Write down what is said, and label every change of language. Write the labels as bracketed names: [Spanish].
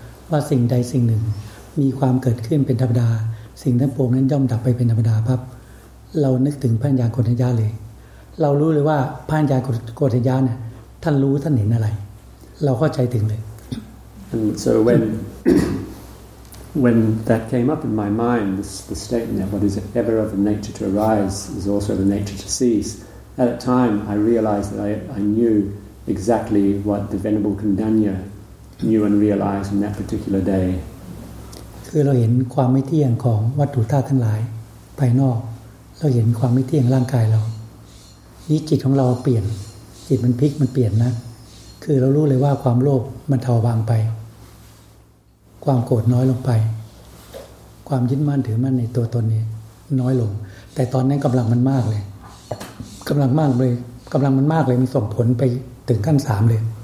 [Thai] ว่าสิ่งใดสิ่งหนึ่งมีความเกิดขึ้นเป็นธรรมดาสิ่งทั้งปวงนั้นย่อมดับไปเป็นธรรมดาปั๊บเรานึกถึงพระญาณโกฏิยะเลยเรารู้เลยว่าพระญาณโกฏิยะเนี่ยท่านรู้ท่านเห็นอะไรเราเข้าใจถึงเลย [English] And so when that came up in my mind, the statement that what is ever of a nature to arise is also the nature to cease, at a time I realized that I knew exactly what the Venerable Kundanya knew and realized in that particular day. [Thai] คือเราเห็นความไม่เที่ยงของวัตถุธาตุทั้งหลายภายนอกเราเห็นความไม่เที่ยงร่างกายเรานี้จิตของเราเปลี่ยนจิตมันพลิกมันเปลี่ยนนะคือเรารู้เลยว่าความโลภมันเบาบางไป ความโกรธน้อยลงไปความยึดมั่นถือมั่นในตัวตนนี้น้อยลงแต่ตอนนั้นกำลังมันมากเลยกำลังมันมากเลยมันส่งผลไปถึงขั้น3เลย